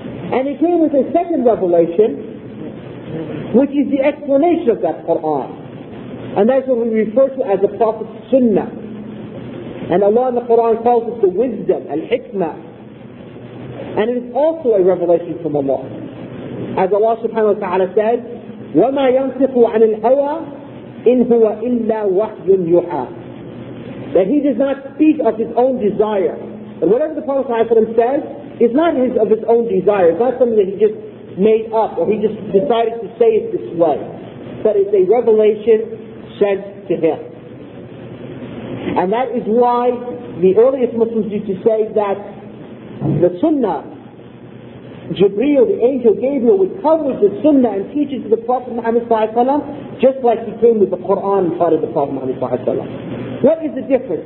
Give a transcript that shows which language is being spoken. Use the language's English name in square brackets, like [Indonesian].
[English] And he came with a second revelation, which is the explanation of that Quran. And that's what we refer to as the Prophet's Sunnah. And Allah in the Quran calls it the wisdom, al-hikmah. And it is also a revelation from Allah. As Allah subhanahu wa ta'ala says, [Arabic] وَمَا يَنْطِقُ عَنِ الْهَوَىٰ إِنْ هُوَ إِلَّا وَحْيٌ يُحَىٰ. [English] That he does not speak of his own desire. And whatever the Prophet sallallahu alayhi wa sallam says is not his, of his own desire. It's not something that he just made up or he just decided to say it this way. But it's a revelation sent to him. And that is why the earliest Muslims used to say that the Sunnah, Jibreel, the angel Gabriel, would come with the Sunnah and teach it to the Prophet Muhammad sallallahu alayhi wa sallam, just like he came with the Quran and taught it to the Prophet Muhammad sallallahu alayhi wa sallam. What is the difference?